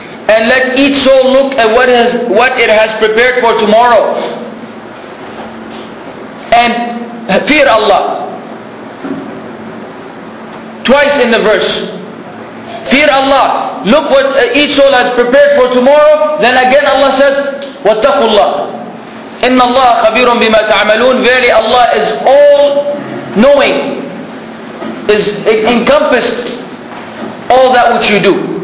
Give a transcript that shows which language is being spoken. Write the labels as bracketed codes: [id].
[en] And let each soul look at what it has prepared for tomorrow. And fear Allah. Twice in the verse. Fear Allah. Look what each soul has prepared for tomorrow. Then again Allah says, [ar] وَاتَّقُوا اللَّهِ إِنَّ اللَّهَ خَبِيرٌ بِمَا تَعْمَلُونَ. [en] Verily Allah is all knowing, is encompassed all that which you do.